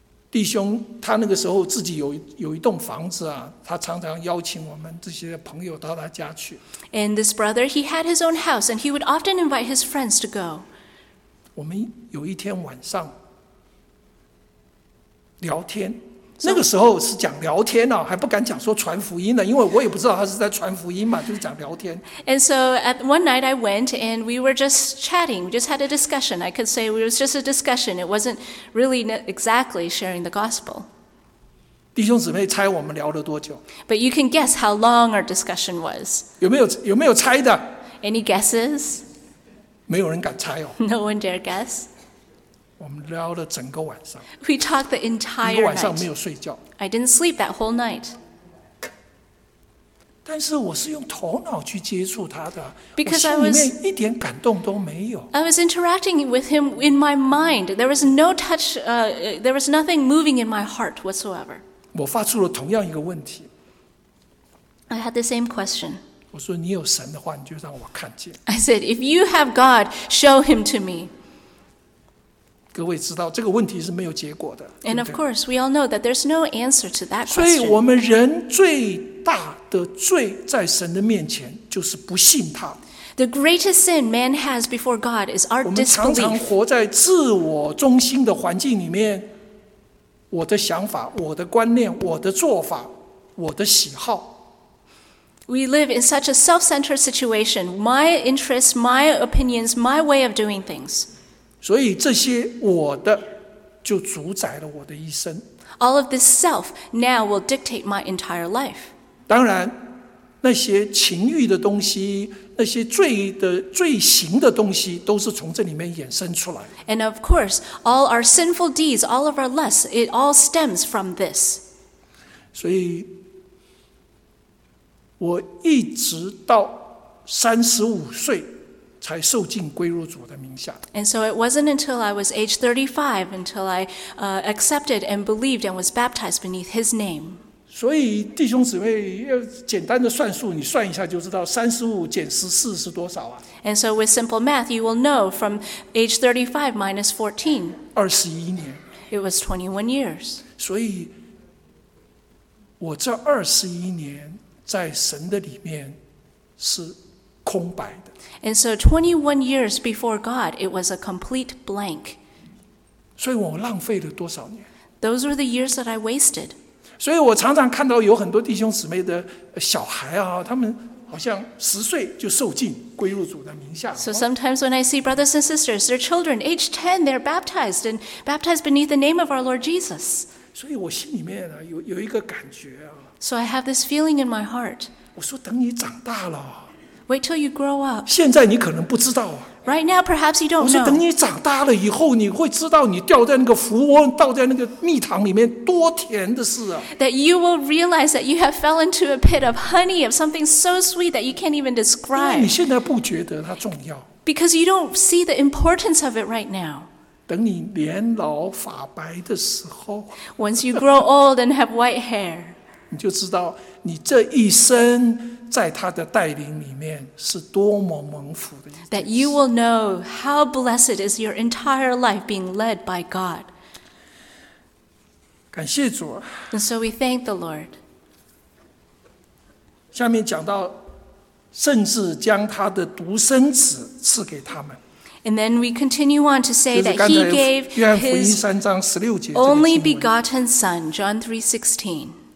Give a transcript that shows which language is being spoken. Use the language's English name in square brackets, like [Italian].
[Chinese] 弟兄他那个时候自己有一栋房子啊，他常常邀请我们这些朋友到他家去。 [English] And this brother, he had his own house and he would often invite his friends to go. [Chinese] 我们有一天晚上聊天，那个时候是讲聊天啊，还不敢讲说传福音呢，因为我也不知道他是在传福音嘛，就是讲聊天。 [English] And so at one night I went and we were just chatting, just had a discussion. I could say it was just a discussion. It wasn't really exactly sharing the gospel. [Chinese] 弟兄姊妹，猜我们聊了多久 [English] ？But you can guess how long our discussion was. [Chinese] 有没有猜的 [English] ？Any guesses? [Chinese] 没有人敢猜哦。 [English] No one dare guess. [Chinese] 我们聊了整个晚上。 [English] We talked the entire night. [Chinese] 一个晚上没有睡觉。 [English] I didn't sleep that whole night. [Chinese] 但是我是用头脑去接触他的。 [English] Because [Chinese] 我心里面一点感动都没有。 [English] I was interacting with him in my mind. There was no touch, there was nothing moving in my heart whatsoever. [Chinese] 我发出了同样一个问题。 [English] I had the same question. [Chinese] 我说你有神的话，你就让我看见。 [English] I said, if you have God, show him to me. [Chinese] 各位知道这个问题是没有结果的。 [English] And of course, we all know that there's no answer to that question. [Chinese] 所以我们人最大的罪在神的面前就是不信他。 [English] The greatest sin man has before God is our disbelief. [Chinese] 我们常常活在自我中心的环境里面，我的想法、我的观念、我的做法、我的喜好。 [English] We live in such a self-centered situation. My interests, my opinions, my way of doing things. [Chinese] 所以这些我的就主宰了我的一生。 [English] All of this self now will dictate my entire life. [Chinese] 当然，那些情欲的东西，那些罪行的东西，都是从这里面衍生出来。 [English] And of course, all our sinful deeds, all of our lusts, it all stems from this. [Chinese] 所以我一直到35岁才受浸归入主的名下。 [English] And so it wasn't until I was age 35 until I accepted and believed and was baptized beneath his name. [Chinese] 所以弟兄姊妹要简单的算数，你算一下就知道35减14是多少啊。 [English] And so with simple math, you will know from age 35 minus 14. [Chinese] 21年。 [English] It was 21 years. [Chinese] 所以我这21年在神的里面是空白的。 [English] And so 21 years before God, it was a complete blank. [Chinese] 所以我浪费了多少年？ [English] Those were the years that I wasted. [Chinese] 所以我常常看到有很多弟兄姊妹的小孩啊，他们好像十岁就受浸归入主的名下。 [English] So sometimes when I see brothers and sisters, their children, age 10, they're baptized and baptized beneath the name of our Lord Jesus. [Chinese] 所以我心里面啊，有一个感觉啊， [English] So I have this feeling in my heart. [Chinese] 我说等你长大了。 [English] Wait till you grow up. [Chinese] 现在你可能不知道啊。 [English] Right now, perhaps you don't know. [Chinese] 我说等你长大了以后，你会知道你掉在那个福窝，倒在那个蜜糖里面多甜的事啊。 [English] That you will realize that you have fell into a pit of honey of something so sweet that you can't even describe. [Chinese] 因为你现在不觉得它重要。 [English] Because you don't see the importance of it right now. [Chinese] 等你年老发白的时候。 [English] Once you grow old and have white hair. [Chinese] 你就知道你这一生在他的带领里面是多么蒙福的一件事。 [English] That you will know how blessed is your entire life being led by God. [Chinese] 感谢主。 [English] And so we thank the Lord. [Chinese] 下面讲到甚至将他的独生子赐给他们。 [English] And then we continue on to say that he gave his only begotten son, John 3:16.